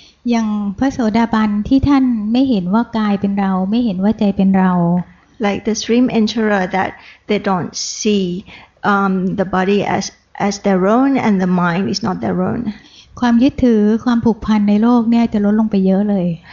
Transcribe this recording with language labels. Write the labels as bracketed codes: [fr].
[th] อย่างพระโสดาบันที่ท่านไม่เห็นว่ากายเป็นเราไม่เห็นว่าใจเป็นเรา [en] like the stream enterer that they don't see the body as their own and the mind is not their own [th] ความยึดถือความผูกพันในโลกเนี่ยจะลดลงไปเยอะเลย